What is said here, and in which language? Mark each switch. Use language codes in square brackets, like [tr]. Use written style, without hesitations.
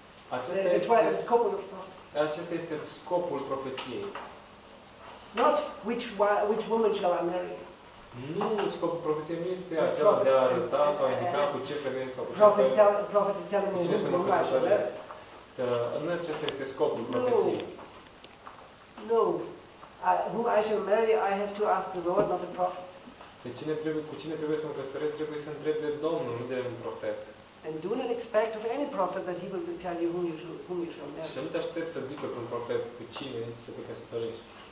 [ro] Acesta este scopul profeției. [en] Not which woman shall I marry. [ro] Nu, scopul profeției nu este acela de a arăta sau indica cu ce femeie sau [en] prophet is telling me who to marry. [ro] Nu, acesta este scopul profeției. [en] No. Who I shall marry, I have to ask the Lord, not the prophet. [ro] Cu cine trebuie să mă căsătoresc, trebuie să întreb de Domnul, nu de un profet. [en] And do not expect of any prophet that he will tell you whom you shall marry. [ro] Să nu te aștepți să zică un profet cu cine să te căsătorești.